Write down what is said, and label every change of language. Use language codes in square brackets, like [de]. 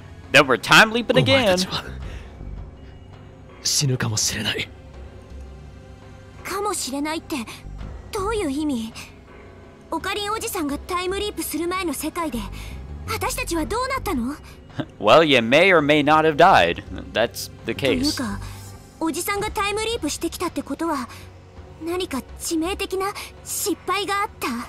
[en] Then we're time leaping again. [ja] お前たちは死ぬかもしれない。かもしれないってどういう意味？オカリンおじさんがタイムリープする前の世界で、私たちはどうなったの？ [en] Well, you may or may not have died. That's the case. [ja] というか、おじさんがタイムリープしてきたってことは、何か致命的な失敗があった。